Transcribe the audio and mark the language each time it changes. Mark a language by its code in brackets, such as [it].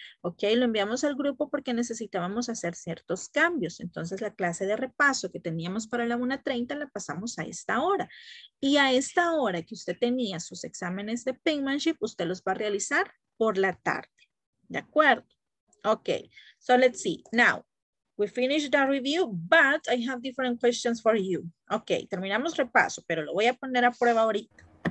[es] Ok, lo enviamos al grupo porque necesitábamos hacer ciertos cambios. Entonces la clase de repaso que teníamos para la 1:30 la pasamos a esta hora. Y a esta hora que usted tenía sus exámenes de penmanship, usted los va a realizar por la tarde. ¿De acuerdo? Ok, [en] so let's see. Now, we finished the review, but I have different questions for you. [es] Ok, terminamos repaso, pero lo voy a poner a prueba ahorita.